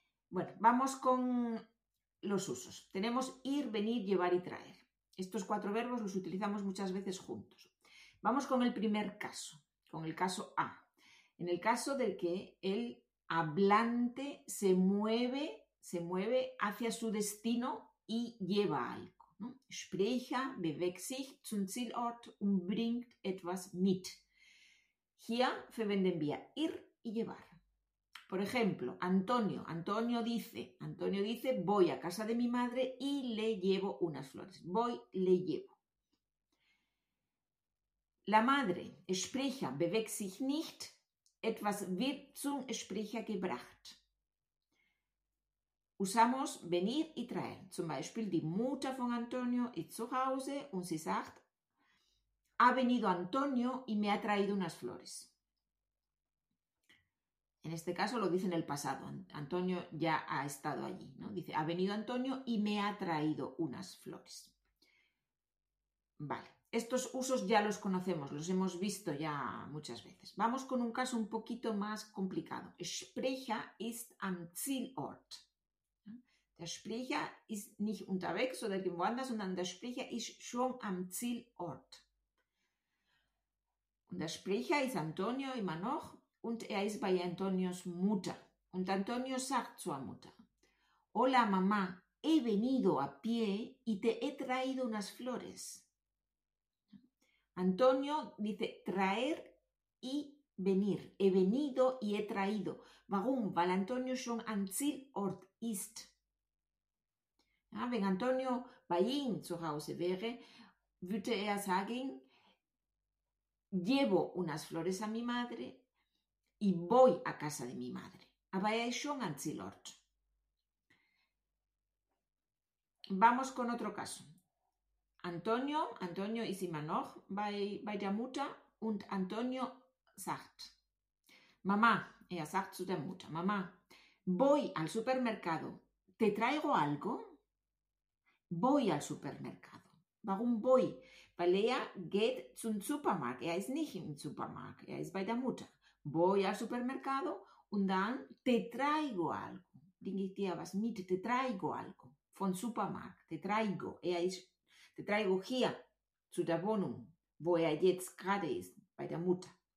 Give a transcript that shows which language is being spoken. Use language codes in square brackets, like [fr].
[es] Bueno, vamos con los usos. Tenemos ir, venir, llevar y traer. Estos cuatro verbos los utilizamos muchas veces juntos. Vamos con el primer caso, con el caso A. En el caso del que el hablante se mueve hacia su destino y lleva algo, ¿no? [de] Sprecher bewegt sich zum Zielort und bringt etwas mit. Hier verwenden wir ir y llevar. [es] Por ejemplo, Antonio dice, voy a casa de mi madre y le llevo unas flores. Voy, le llevo. La madre, [de] Sprecher bewegt sich nicht. Etwas wird zum Sprecher gebracht. [es] Usamos venir y traer. [de] Zum Beispiel, die Mutter von Antonio ist zu Hause und sie sagt, [es] ha venido Antonio y me ha traído unas flores. En este caso lo dice en el pasado. Antonio ya ha estado allí, ¿no? Dice, ha venido Antonio y me ha traído unas flores. Vale. Estos usos ya los conocemos, los hemos visto ya muchas veces. Vamos con un caso un poquito más complicado. [de] Sprecher ist am Zielort. Der Sprecher ist nicht unterwegs oder irgendwo anders, sondern der Sprecher ist schon am Zielort. Und der Sprecher ist Antonio immer noch und er ist bei Antonios Mutter. Und Antonio sagt zu Amuta: [es] Hola, mamá, he venido a pie y te he traído unas flores. Antonio dice traer y venir. He venido y he traído. [de] Warum? Weil Antonio schon am Zielort ist. Ja, wenn Antonio bei ihm zu Hause wäre, würde er sagen: [es] Llevo unas flores a mi madre y voy a casa de mi madre. [de] Aber er ist schon am Zielort. Vamos con otro caso. Antonio ist immer noch bei der Mutter und Antonio sagt: Mama, er sagt zu der Mutter: Mama, [es] voy al supermercado. ¿Te traigo algo? Voy al supermercado. [de] Warum [es] voy? [de] Weil er geht zum Supermarkt. Er ist nicht im Supermarkt. Er ist bei der Mutter. [es] Voy al supermercado [de] und dann [es] te traigo algo. [de] Bring ich dir was mit? [es] Te traigo algo. [de] Von Supermarkt. [es] Te traigo. [de] Er ist, [es] te traigo [de] hier zu der Wohnung, wo er jetzt gerade ist, bei der Mutter.